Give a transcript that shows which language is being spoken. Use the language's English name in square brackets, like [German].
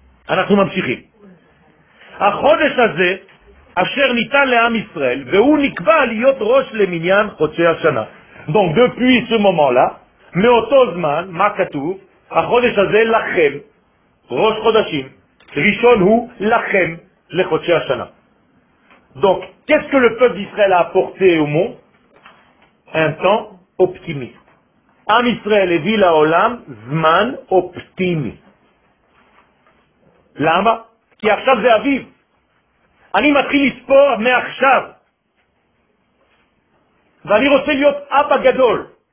[Hebrew] אנחנו ממשיכים. החודש הזה אשר ניתן לעם ישראל והוא נקבע להיות ראש למניין חודשי השנה. [French] Donc depuis ce moment-là, [Hebrew] מאותו זמן, מה כתוב? החודש הזה לכם, ראש חודשים. ראשון הוא לכם, לחודשי השנה. [French] Donc, qu'est-ce que le peuple d'Israël a apporté au monde? Un temps optimiste. [Hebrew] עם ישראל הביא לעולם זמן אופטימי. למה? כי עכשיו זה אביב. אני מתחיל לספור מעכשיו. ואני רוצה להיות אבא גדול.